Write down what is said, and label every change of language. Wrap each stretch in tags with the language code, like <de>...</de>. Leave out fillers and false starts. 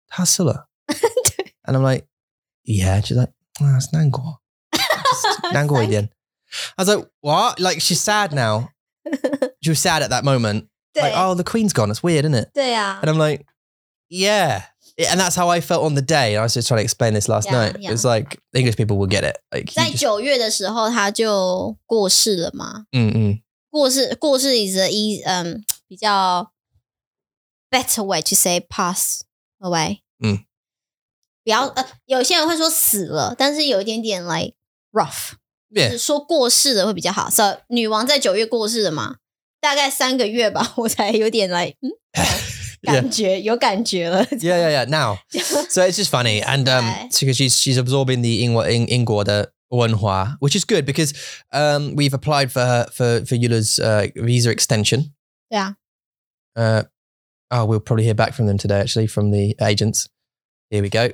<en>Tasula. And I'm like, yeah. She's like, oh, it's Nangor. Nangor again. I was like, what? Like, she's sad now. She was sad at that moment. Like, oh, the queen's gone. It's weird, isn't it? And I'm like, yeah. And that's how I felt on the day. I was just trying to explain this last night. Yeah. It's like, English people will get it. Like,</en> <zh>在九月的时候,他就过世了嘛?</zh> <en>过世 is a</en> <zh>比较</zh> <en>better way to say pass away.</en> <zh>有些人会说死了,但是有一点点</zh> <en>like rough. Yeah.</en> <zh>说过世的会比较好 So 女王在九月过世的嘛 大概3个月吧 我才有点 like 感觉有感觉了</zh> <en>Yeah, yeah, yeah. Now So it's just funny. And because she's absorbing the</en> <zh>英国的文化</zh> <en>which is good because we've applied for Eula's visa extension. Yeah. Oh, we'll probably hear back from them today, actually, from the agents. Here we go.</en>